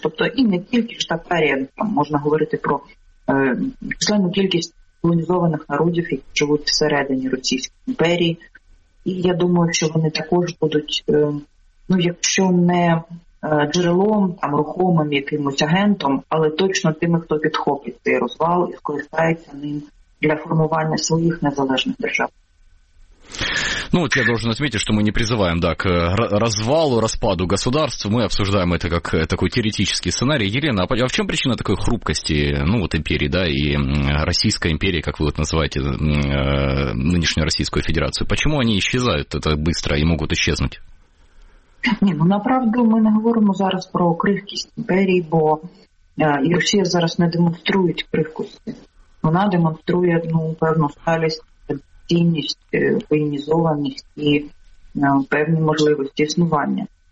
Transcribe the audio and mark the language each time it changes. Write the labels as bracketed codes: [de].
[uk] Тобто і не тільки штаперія, там можна говорити про численну кількість колонізованих народів, які живуть всередині Російської імперії. І я думаю, що вони також будуть, ну, якщо не джерелом, там, рухомим якимось агентом, але точно тими, хто підхопить цей розвал і скористається ним для формування своїх незалежних держав. [ru] Ну, вот я должен отметить, что мы не призываем, да, к развалу, распаду государств. Мы обсуждаем это как такой теоретический сценарий. Елена, а в чем причина такой хрупкости, ну, вот империи, да, и Российской империи, как вы вот называете нынешнюю Российскую Федерацию? Почему они исчезают это быстро и могут исчезнуть? [uk] Ні, ну, направду, ми не говоримо зараз про крихкість імперії, бо і Росія зараз не демонструє крихкості. Вона демонструє, ну, певну сталість, цінність, воєнізованість і певні можливості існування.